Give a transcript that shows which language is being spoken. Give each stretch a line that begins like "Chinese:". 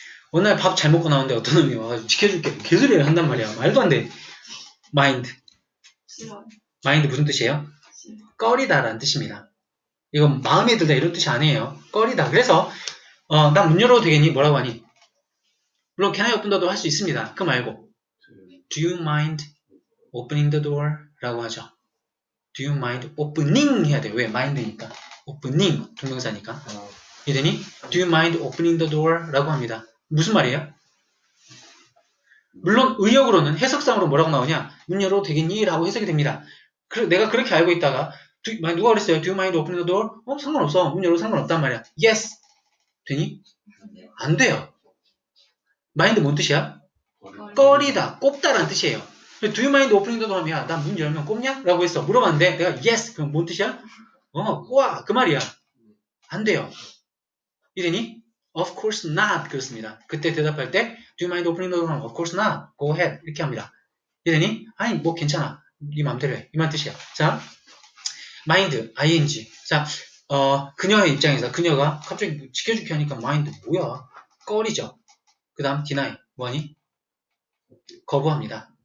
Korean: 어느 날 밥 잘 먹고 나오는데 어떤 놈이 와가지고 지켜줄게. 개소리를 한단 말이야. 말도 안 돼. mind. 마인드 무슨 뜻이에요? 꺼리다라는 뜻입니다. 이건 마음에 들다 이런 뜻이 아니에요. 꺼리다. 그래서, 나 문 열어도 되겠니? 뭐라고 하니? 물론,
English: can I open the door
Korean: 할 수 있습니다. 그 말고.
English: Do you mind opening the door?
Korean: 라고 하죠.
English: Do you mind opening?
Korean: 해야 돼. 왜? mind니까. opening. 동명사니까. 이해되니?
English: Do you mind opening the door?
Korean: 라고 합니다. 무슨 말이에요? 물론, 의역으로는, 해석상으로 뭐라고 나오냐? 문 열어도 되겠니? 라고 해석이 됩니다. 내가 그렇게 알고 있다가, 누가 그랬어요?
English: Do you mind opening the door?
Korean: 상관없어. 문 열어도 상관없단 말이야. Yes! 되니? 안 돼요. mind 뭔 뜻이야? 꺼리다, 꼽다라는 뜻이에요.
English: Do you mind opening the door?
Korean: 야, 난 문 열면 꼽냐? 라고 했어. 물어봤는데, 내가 yes! 그럼 뭔 뜻이야? 꼽아! 그 말이야. 안 돼요. 이래니?
English: Of course not!
Korean: 그렇습니다. 그때 대답할 때,
English: Do you mind opening the door? Of course not! Go ahead!
Korean: 이렇게 합니다. 이래니? 아니, 뭐 괜찮아. 네 맘대로 해. 이만 뜻이야. 자, mind, ing. 자, 그녀의 입장에서 그녀가 갑자기 지켜주게 하니까 마인드 뭐야? 꺼리죠. 그 다음 디나이 뭐하니? 거부합니다.